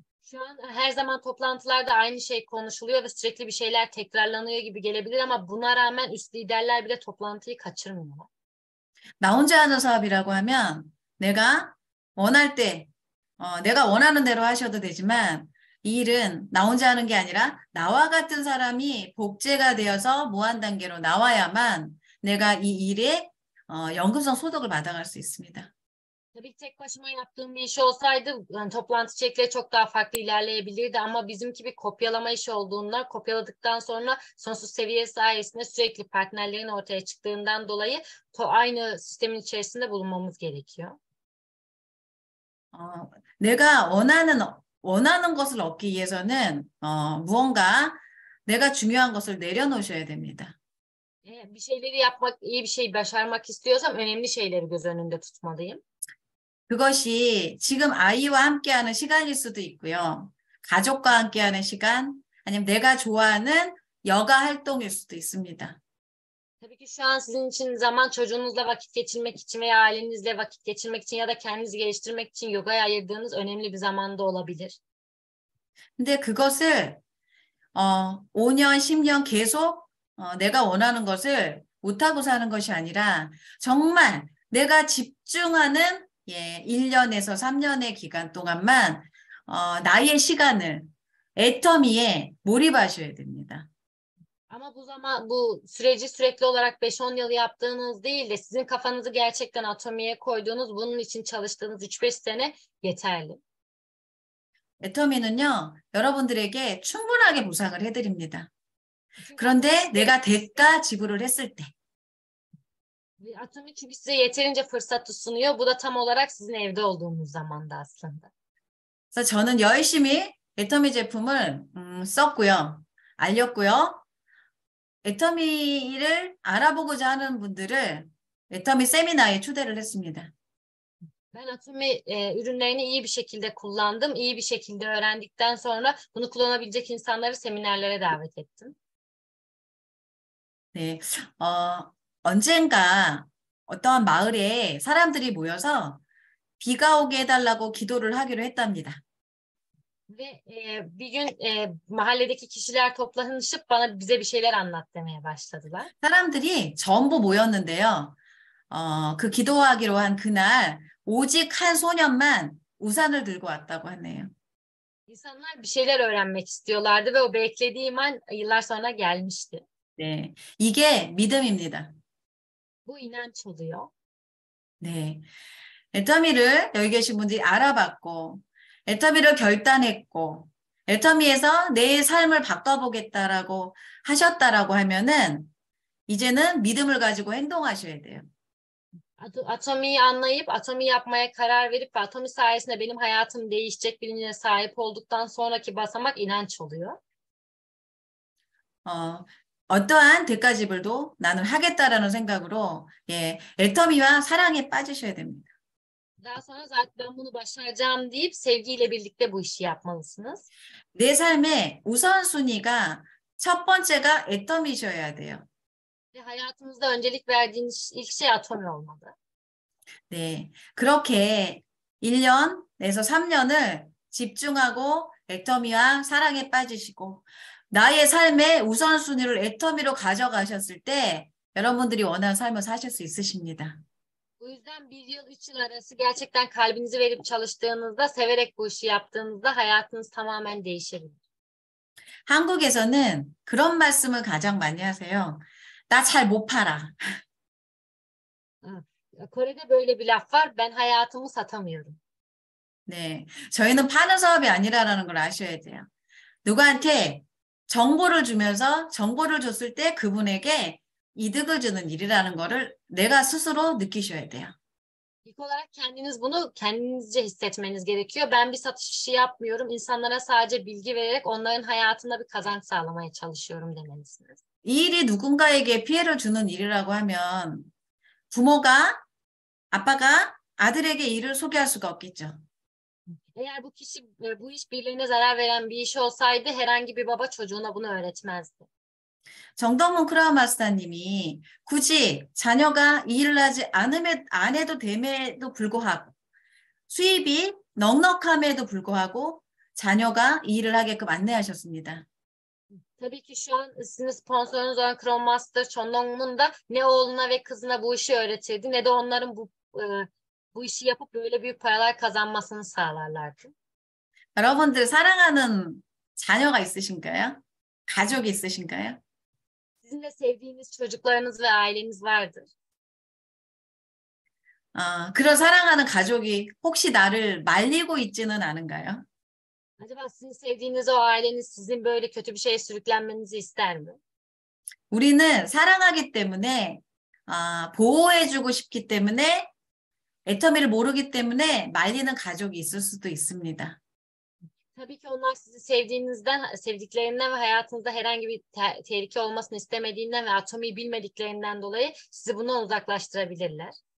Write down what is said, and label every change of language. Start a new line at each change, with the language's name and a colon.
Turkish: Şu an her zaman toplantılarda aynı şey konuşuluyor ve sürekli bir şeyler tekrarlanıyor gibi gelebilir ama buna rağmen üst liderler bile toplantıyı kaçırmıyor.
Korean: Na 혼자 하는 사업이라고 하면 내가 원할 때, 내가 원하는 대로 하셔도 되지만, 이 일은 나 혼자 하는 게 아니라, 나와 같은 사람이 복제가 되어서 무한단계로 나와야만 내가 이 일에, 연금성 소득을 받아갈 수 있습니다.
Turkish: Tabii ki tek başıma yaptığım bir iş olsaydı yani toplantı şekli çok daha farklı ilerleyebilirdi ama bizimki bir kopyalama iş olduğundan kopyaladıktan sonra sonsuz seviye sayesinde sürekli partnerlerin ortaya çıktığından dolayı aynı sistemin içerisinde bulunmamız gerekiyor.
Korean: 내가 원하는 것을 얻기 위해서는 무언가 내가 중요한 것을 내려놓으셔야 됩니다. 뭐뭐
Turkish: şeyleri yapmak, iyi bir şey başarmak istiyorsam önemli şeyleri göz önünde tutmalıyım.
Korean: 그것이 지금 아이와 함께하는 시간일 수도 있고요. 가족과 함께하는 시간, 아니면 내가 좋아하는 여가 활동일 수도 있습니다.
Turkish: Tabii ki şu an sizin için zaman çocuğunuzla vakit geçirmek için veya ailenizle vakit geçirmek için ya da kendinizi geliştirmek için yogaya ayırdığınız önemli bir zaman da olabilir.
Korean: 근데 그것을 5년, 10년 계속 내가 원하는 것을 못하고 사는 것이 아니라 정말 내가 집중하는 1년에서 3년의 기간 동안만 나의 시간을 애터미에 몰입하셔야 됩니다.
Turkish: Ama bu süreci sürekli olarak 5-10 yıl yaptığınız değil de sizin kafanızı gerçekten atomiye koyduğunuz, bunun için çalıştığınız 3-5 sene yeterli.
Korean: 애터미는요, 여러분들에게 충분하게 보상을 해드립니다.
Turkish: Çünkü
Korean: 그런데
Turkish: Atomi
Korean: 내가 대가 지불을 했을 때.
Turkish: size yeterince fırsatı sunuyor. Bu da tam olarak sizin evde olduğunuz zamanda aslında. Kısaca
Korean: 저는 열심히 애터미 제품을 썼고요, 알렸고요. 애터미를 알아보고자 하는 분들을 애터미 세미나에 초대를 했습니다.
Turkish: Ben Atomi ürünlerini iyi bir şekilde kullandım. İyi bir şekilde öğrendikten sonra bunu kullanabilecek insanları seminerlere davet ettim.
Korean: 네. 언젠가 어떠한 마을에 사람들이 모여서 비가 오게 해달라고 기도를 하기로 했답니다.
Turkish: Ve bir gün mahalledeki kişiler toplanışıp bize bir şeyler anlat demeye başladılar.
Korean: 사람들이 전부 모였는데요. 그 기도하기로 한 그날 오직 한 소년만 우산을 들고 왔다고 하네요.
Turkish: İnsanlar bir şeyler öğrenmek istiyorlardı ve o beklediğim an yıllar sonra gelmişti.
Korean: 네, 이게 믿음입니다.
Turkish: Bu inanç oluyor.
Korean: 네, 애터미를 여기 계신 분들이 알아봤고, 애터미를 결단했고, 애터미에서 내 삶을 바꿔보겠다라고 하셨다라고 하면은 이제는 믿음을 가지고 행동하셔야 돼요.
Turkish: Atomi'yi anlayıp atomi yapmaya karar verip atomi sayesinde benim hayatım değişecek bilincine sahip olduktan sonraki basamak inanç oluyor.
Korean: 어떠한 대가집을도 나는 하겠다라는 생각으로, 예, 애터미와 사랑에 빠지셔야 됩니다.
Turkish: Daha sonra zaten ben bunu başaracağım deyip sevgiyle birlikte bu işi yapmalısınız.
Korean: 내 삶의 우선순위가 첫 번째가 애터미셔야 돼요.
Turkish: Hayatımızda öncelik verdiğiniz ilk şey atom olmalı.
Korean: 네. 그렇게 1년 내서 3년을 집중하고 애터미와 사랑에 빠지시고, 나의 삶의 우선순위를 애터미로 가져가셨을 때 여러분들이 원하는 삶을 사실 수 있으십니다.
Turkish: O yüzden 1 yıl 3 yıl arası gerçekten kalbinizi verip çalıştığınızda, severek bu işi yaptığınızda hayatınız tamamen değişebilir.
Korean: 한국에서는 그런 말씀을 가장 많이 하세요. 나잘못 팔아.
Turkish: Kore'de böyle bir laf var. Ben hayatımı satamıyorum.
Korean: 네, 저희는 파는 사업이 아니라는 걸 아셔야 돼요. 누구한테 정보를 주면서 정보를 줬을 때 그분에게 이득을 주는 일이라는 거를 내가 스스로 느끼셔야 돼요.
Turkish: İlk olarak kendiniz bunu kendinizce hissetmeniz gerekiyor. Ben bir satış işi yapmıyorum. İnsanlara sadece bilgi vererek onların hayatında bir kazanç sağlamaya çalışıyorum demelisiniz.
Korean: 이 일이 누군가에게 피해를 주는 일이라고 하면 부모가, 아빠가 아들에게 일을 소개할 수가 없겠죠.
Turkish: Eğer bu kişi bu iş birilerine zarar veren bir iş olsaydı herhangi bir baba çocuğuna bunu öğretmezdi.
Korean: 정동문 크라우마스터님이 굳이 자녀가 일을 하지 않음에 안 해도 됨에도 불구하고 수입이 넉넉함에도 불구하고 자녀가 일을 하게끔 안내하셨습니다.
Turkish: Tabii ki şu an sizin sponsorunuz olan Chrome Master Chonlong'un da ne oğluna ve kızına bu işi öğretirdi ne de onların bu işi yapıp böyle büyük paralar kazanmasını sağlarlardı.
Korean: 여러분들 사랑하는 자녀가 있으신가요? 가족이 있으신가요?
Turkish: Sizin de sevdiğiniz çocuklarınız ve aileniz vardır.
Korean: 그런 사랑하는 가족이 혹시 나를 말리고 있지는 않은가요?
Turkish: Acaba sizin sevdiğiniz o aileniz sizin böyle kötü bir şeye sürüklenmenizi ister mi?
Korean: 우리는 사랑하기 때문에, 보호해주고 싶기 때문에, 애터미를 모르기 때문에 말리는 가족이 있을 수도 있습니다.
Turkish: Tabii ki onlar sizi sevdiklerinden ve hayatınızda herhangi bir tehlike olmasını istemediğinden ve atomi bilmediklerinden dolayı sizi bundan uzaklaştırabilirler.